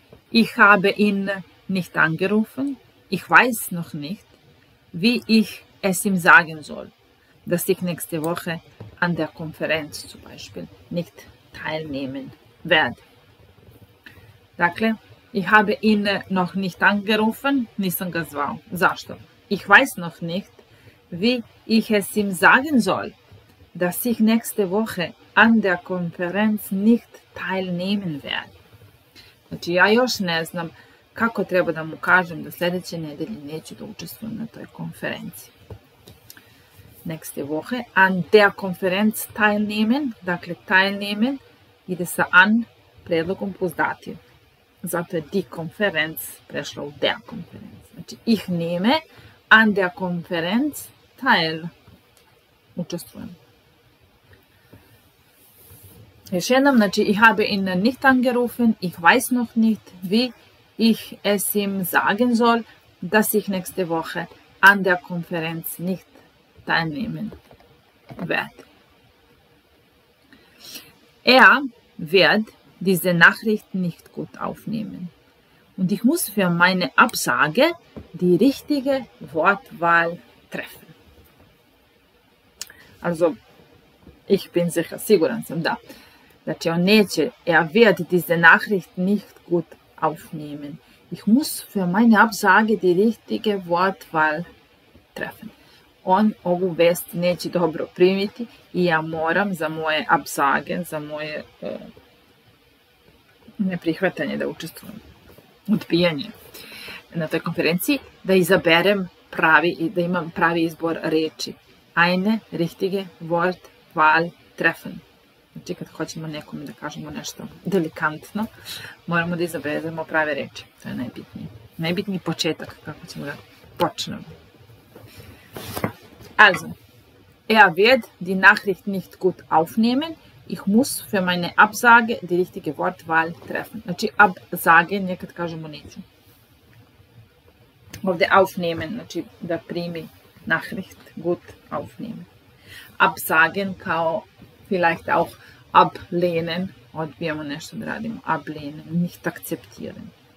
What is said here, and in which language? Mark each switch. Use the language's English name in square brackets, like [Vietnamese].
[German] Ich habe ihn nicht angerufen. Ich weiß noch nicht, wie ich es ihm sagen soll, dass ich nächste Woche an der Konferenz zum Beispiel nicht teilnehmen werde. Dakle, Ich habe ihn noch nicht angerufen, Nissan Gazwau, sagst du. Ich weiß noch nicht, wie ich es ihm sagen soll, dass ich nächste Woche an der Konferenz nicht teilnehmen werde. [Serbian] Znači, ja još ne znam kako treba da mu kažem da sljedeće nedelje neću da učestvujem na toj konferenciji. [German] Nächste Woche an der Konferenz teilnehmen, dakle teilnehmen, [Serbian] ide sa an predlogom plus dativ. Zato je die Konferenz prešla u der Konferenz. Znači, [German] ich nehme an der Konferenz teil. [Serbian] Učestvujem. Još jednom, znači, [German] ich habe ihn nicht angerufen, ich weiß noch nicht, wie ich es ihm sagen soll, dass ich nächste Woche an der Konferenz nicht teilnehmen werde. Er wird diese Nachricht nicht gut aufnehmen. Und ich muss für meine Absage die richtige Wortwahl treffen. Also, ich bin sicher, [Serbian] sigurno da. Znači, on neće, [German] er wird diese Nachricht nicht gut aufnehmen. Ich muss für meine Absage die richtige Wortwahl treffen. [Serbian] On ovu vest neće dobro primiti i ja moram za moje absage, za moje neprihvatanje da učestvujem, odbijanje na toj konferenciji, da izaberem pravi, da imam pravi izbor reči. [German] Eine richtige Wortwahl treffen. [Serbian] Znači, kad hoćemo nekome da kažemo nešto delikantno, moramo da izaberemo prave reči. To je najbitnije. Najbitniji početak kako ćemo da počnemo. [German] Also, er wird die Nachricht nicht gut aufnehmen. Ich muss für meine Absage die richtige Wortwahl treffen. [Serbian] Znači, absage, nekad kažemo neću. Ovde aufnehmen, znači, da primi [German] Nachricht gut aufnehmen. [Serbian] Absagen kao [German] vielleicht auch ablehnen, [Serbian] odbijamo nešto da radimo, ablehnen, [German] nicht akzeptieren.